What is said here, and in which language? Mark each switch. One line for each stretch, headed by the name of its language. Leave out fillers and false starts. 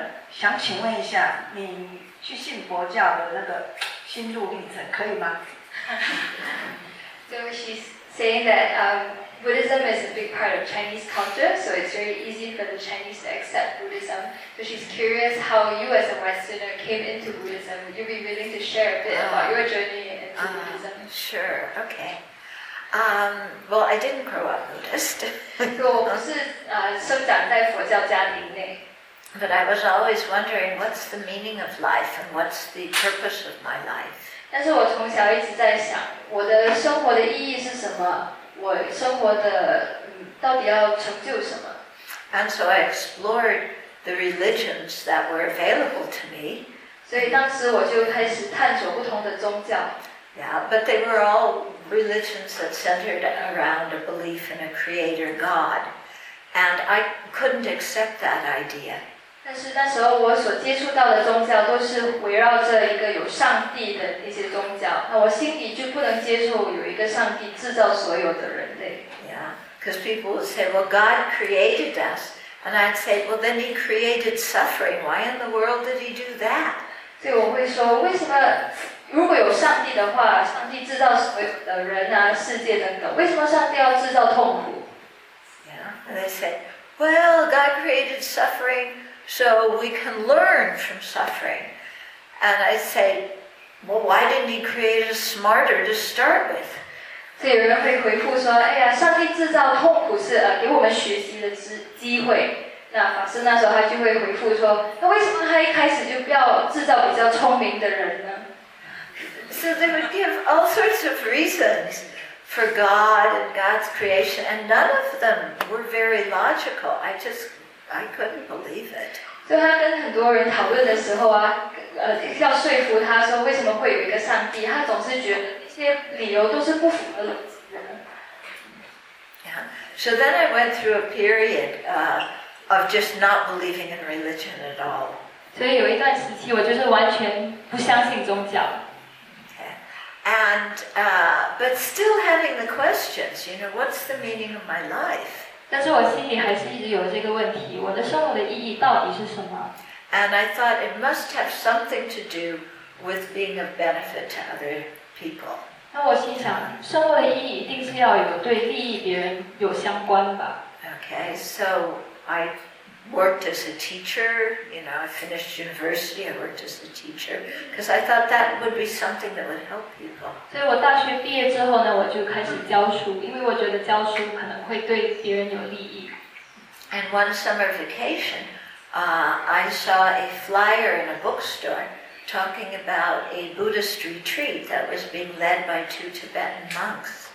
Chinese: 想请问一下，你去信佛教的那个心路历程可以吗？
English: So she's saying that Buddhism is a big part of Chinese culture, so it's very easy for the Chinese to accept Buddhism. So she's curious how you as a Westerner came into Buddhism. Would you be willing to share a bit about your journey into Buddhism? Sure. Okay. Well, I didn't grow up Buddhist.
Chinese: 我不是生长在佛教家庭内。
English: But I was always wondering, what's the meaning of life and what's the purpose of my life?
Chinese: 但是我从小一直在想，我的生活的意义是什么？我生活的到底要成就什么？
English: And so I explored the religions that were available to me.
Chinese: 所以当时我就开始探索不同的宗教。
English: Yeah, but they were all religions that centered around a belief in a creator God. And I couldn't accept that idea.
Chinese: 但是那时候我所接触到的宗教都是围绕着一个有上帝的一些宗教，那我心里就不能接受有一个上帝制造所有的人类。
English: Yeah, because people would say, well, God created us. And I'd say, well, then he created suffering. Why in the world did he do that?
Chinese: 所以我会说，为什么如果有上帝的话，上帝制造所有的人啊，世界等等，为什么上帝要制造痛苦？
English: Yeah, and they say, well, God created suffering. So we can learn from suffering. And I say, well, why didn't he create us smarter to start with?
Chinese: 所以有人会回复说，哎呀，上帝制造痛苦是给我们学习的机会。那法师那时候他就会回复说，那为什么他一开始就不要制造比较聪明的人呢？
English: So they would give all sorts of reasons for God and God's creation, and none of them were very logical. I couldn't believe it.
Chinese: 就他跟很多人讨论的时候啊，要说服他说为什么会有一个上帝，他总是觉得那些理由都是不符合逻辑的。
English: Yeah. So then I went through a period of just not believing in religion at all.
Chinese: 所以有一段时期，我就是完全不相信宗教。
English: Okay. And but still having the questions, you know, what's the meaning of my life?
Chinese: 但是我心里还是一直有这个问题，我的生活的意义到底是什么？
English: And I thought it must have something to do with being of benefit to other people.
Chinese: 那我心想，生活的意义一定是要有对利益别人有相关吧？
English: Okay, so I worked as a teacher. You know, I finished university. I worked as a teacher because I thought that would be something that would help people.
Chinese: 所以我大学毕业之后呢，我就开始教书，因为我觉得教书可能会对别人有利益。
English: And one summer vacation, I saw a flyer in a bookstore talking about a Buddhist retreat that was being led by two Tibetan monks.